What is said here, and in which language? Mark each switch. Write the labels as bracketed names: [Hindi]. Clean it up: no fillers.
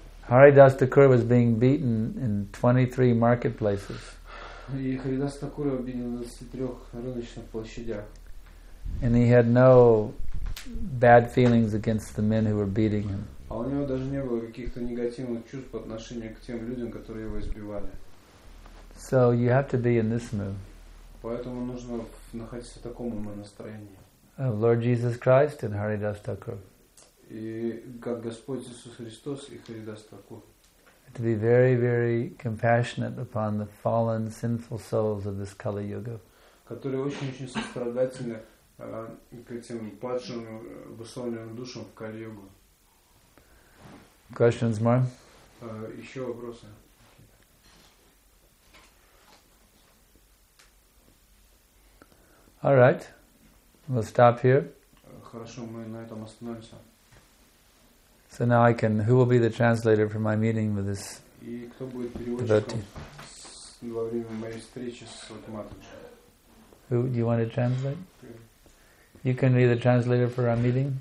[English] Haridas Thakur was being beaten in 23 marketplaces. And he had no bad feelings against the men who were beating him. [Russian] А у него даже не было каких-то негативных чувств по отношению к тем людям, которые его избивали. [English] So you have to be in this mood. [Russian] Поэтому нужно находиться в таком настроении. [English] Of Lord Jesus Christ and Haridas Thakur. [Russian] И как Господь Иисус Христос и Haridas Thakur. [English] To be very, very compassionate upon the fallen, sinful souls of this Kali Yuga. [Russian] Которые очень-очень сострадательны к этим падшим, обусловленным душам в Кали Йогу. [English] Questions more? [Russian] Еще вопросы. [English] All right. We'll stop here. [Russian] Хорошо, мы на этом остановимся. [English] So now I can. Who will be the translator for my meeting with this? [Russian] И кто будет переводчиком во время моей встречи с Матхаджи? [English] Who do you want to translate? You can be the translator for our meeting.